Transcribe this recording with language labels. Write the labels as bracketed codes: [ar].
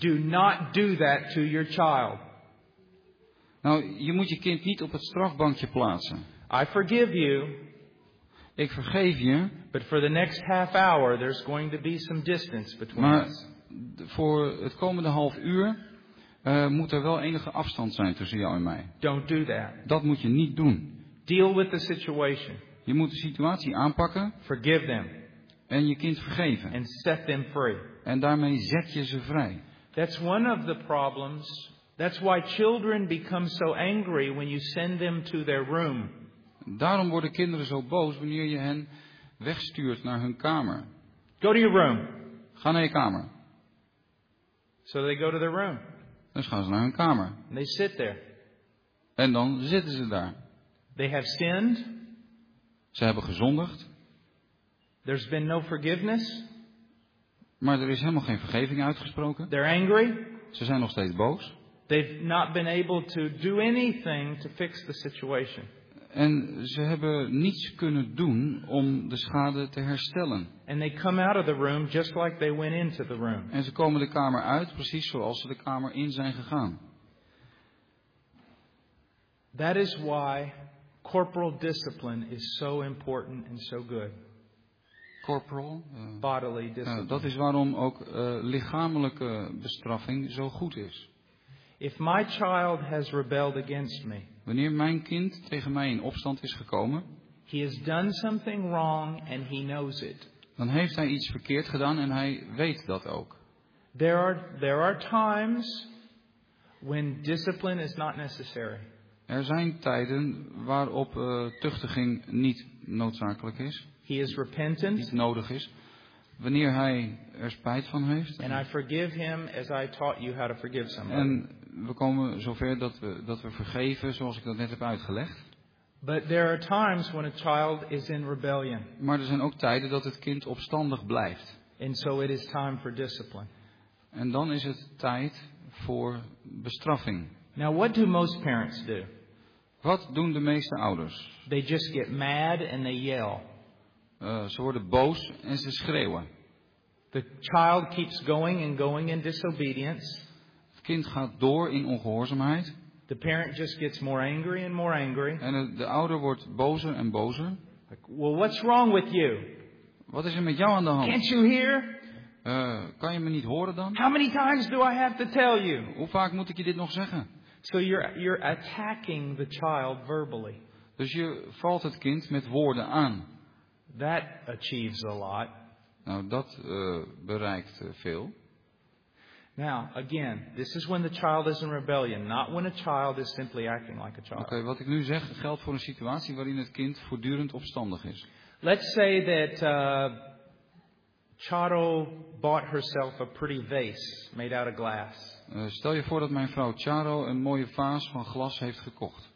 [en] Do not do that to your child. [nl] Nou, je moet je kind niet op het strafbankje plaatsen. [en] I forgive you. [nl] Ik vergeef je. [en] But for the next half hour, there's going to be some distance between [nl] maar [en] us. [nl] Voor het komende half uur moet er wel enige afstand zijn tussen jou en mij. [en] Don't do that. [nl] Dat moet je niet doen. [en] Deal with the situation. [nl] Je moet de situatie aanpakken. [en] Forgive them. [nl] En je kind vergeven. [en] And set them free. [nl] En daarmee zet je ze vrij. [en] That's one of the problems. That's why children become so angry when you send them to their room. [nl] Daarom worden kinderen zo boos wanneer je hen wegstuurt naar hun kamer. [en] Go to your room. [nl] Ga naar je kamer. [en] So they go to their room. [nl] Dus gaan ze naar hun kamer. [en] And they sit there. [nl] En dan zitten ze daar. [en] They have sinned. [nl] Ze hebben gezondigd. [en] There's been no forgiveness. [nl] Maar er is helemaal geen vergeving uitgesproken. [en] They're angry. [nl] Ze zijn nog steeds boos. [en] They've not been able to do anything to fix the situation. [nl] En ze hebben niets kunnen doen om de schade te herstellen. [en] And they come out of the room just like they went into the room. [nl] En ze komen de kamer uit precies zoals ze de kamer in zijn gegaan. [en] That is why corporal discipline is so important and so good. Corporal, bodily discipline. [nl] Dat is waarom ook lichamelijke bestraffing zo goed is. [en] If my child has rebelled against me, [nl] wanneer mijn kind tegen mij in opstand is gekomen, [en] he has done something wrong and he knows it. [nl] Dan heeft hij iets verkeerd gedaan en hij weet dat ook. [en] There are times when discipline is not necessary. [nl] Er zijn tijden waarop tuchtiging niet noodzakelijk is. [en] He is repentant. [nl] Niet nodig is. Wanneer hij er spijt van heeft. [en] And I forgive him as I taught you how to forgive somebody. [nl] En we komen zover dat we vergeven zoals ik dat net heb uitgelegd. [en] But there are times when a child is in rebellion. [nl] Maar er zijn ook tijden dat het kind opstandig blijft. [en] And so it is time for discipline. [nl] En dan is het tijd voor bestraffing. [en] Now what do most parents do? [nl] Wat doen de meeste ouders? [en] They just get mad and they yell. [nl] Ze worden boos en ze schreeuwen. [en] The child keeps going and going in disobedience. [nl] Het kind gaat door in ongehoorzaamheid. [en] The parent just gets more angry and more angry. [nl] En de ouder wordt bozer en bozer. [en] Like, well, what's wrong with you? [nl] Wat is er met jou aan de hand? [en] Can't you hear? [nl] Kan je me niet horen dan? [en] How many times do I have to tell you? [nl] Hoe vaak moet ik je dit nog zeggen? [en] So you're attacking the child verbally. [nl] Dus je valt het kind met woorden aan. [en] That achieves a lot. [nl] Nou, dat bereikt veel. [en] Now, again, this is when the child is in rebellion, not when a child is simply acting like a child. [nl] Oké, wat ik nu zeg geldt voor een situatie waarin het kind voortdurend opstandig is. [en] Let's say that Charo bought herself a pretty vase made out of glass. [nl] Stel je voor dat mijn vrouw Charo een mooie vaas van glas heeft gekocht.